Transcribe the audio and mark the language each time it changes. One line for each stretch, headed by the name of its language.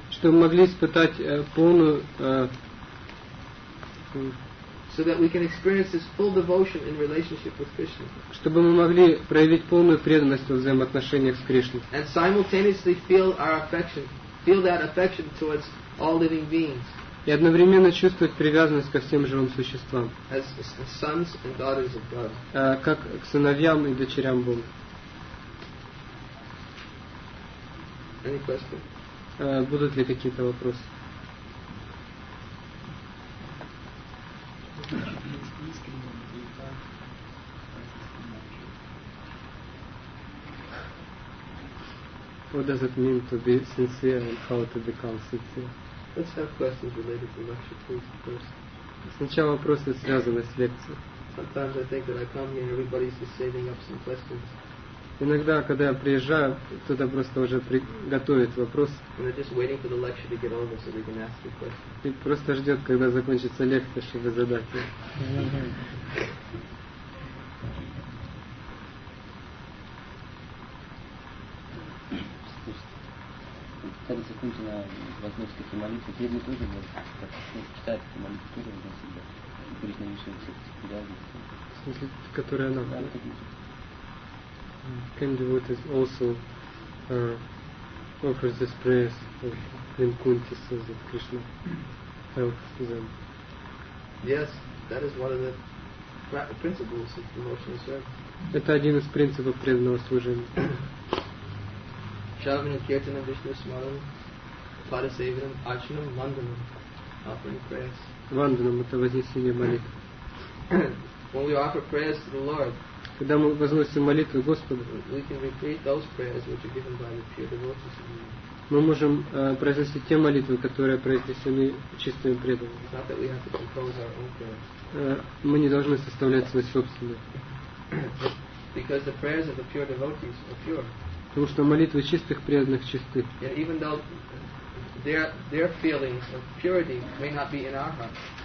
Russian: Чтобы мы могли испытать полную
English: So that we can experience this full devotion in relationship with Krishna.
Russian: Чтобы мы могли проявить полную преданность во взаимоотношениях с Кришной.
English: And simultaneously feel our affection, feel that affection towards all living beings.
Russian: И одновременно чувствовать привязанность ко всем живым существам.
English: As sons and daughters of God.
Russian: Как к сыновьям и дочерям Бога.
English: Any questions?
Russian: Будут ли какие-то вопросы?
English: What does it mean to be sincere and how to become sincere? Let's have questions related to lecture, please, first.
Russian: Сначала вопросы, связанные с лекцией.
English: Sometimes I think that I come here and everybody's just saving up some questions.
Russian: Иногда, когда я приезжаю, кто-то просто уже приготовит вопрос.
English: And they're just waiting for the lecture to get over so they can ask the question.
Russian: И просто ждет, когда закончится лекция, чтобы задать ее. Кстати, секунду на возможность таких молитв. Древние тоже будут читать эти молитвы, тоже будут себя говорить на нижнем сердце. В смысле, которая она?
English: Can devotees also offer this prayers when Kunti says that Krishna helps them? Yes, that is one of the principles of devotional service.
Russian: Это один из принципов преданного служения.
Sanskrit: Shravana Kirtana Vishnu Smaranam Parasevanam Archanam Vandanam,
English: offering prayers.
Russian: Vandanam — это вознесение молитв.
English: When we offer prayers to the Lord,
Russian: когда мы возносим молитву Господу,
English: we can repeat those prayers which are given by the pure devotees.
Russian: Мы можем произнести те молитвы, которые произнесены чистыми преданными.
English: It's not that we have to compose our own prayers.
Russian: Мы не должны составлять свои собственные.
English: Because the prayers of the pure devotees are pure.
Russian: Потому что молитвы чистых преданных чисты.
English: Yet even though their feelings of purity may not be in our hearts.